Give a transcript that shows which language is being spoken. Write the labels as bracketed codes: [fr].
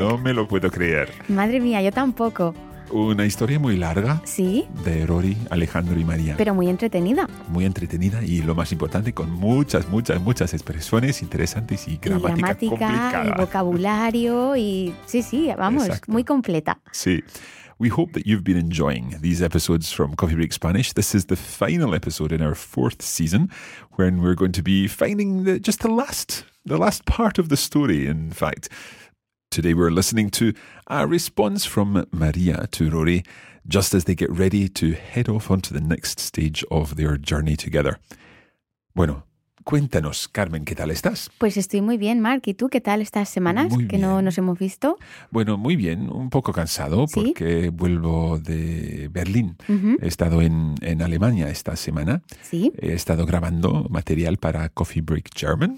[es] No me lo puedo creer. Madre mía, yo tampoco. Una historia muy larga. Sí. De Rory, Alejandro y María. Pero muy entretenida. Muy entretenida y, lo más importante, con muchas, muchas, muchas expresiones interesantes y gramática complicada. Y vocabulario y... Sí, sí, vamos, exacto. Muy completa. Sí. [en] We hope that you've been enjoying these episodes from Coffee Break Spanish. This is the final episode in our fourth season, when we're going to be finding the last part of the story, in fact. Today we're listening to a response from Maria to Rory just as they get ready to head off onto the next stage of their journey together. [es] Bueno, cuéntanos, Carmen, ¿qué tal estás? Pues estoy muy bien, Mark. ¿Y tú qué tal estas semanas que no nos hemos visto? Bueno, muy bien. Un poco cansado porque ¿sí? vuelvo de Berlín. Uh-huh. He estado en Alemania esta semana. Sí. He estado grabando material para Coffee Break German.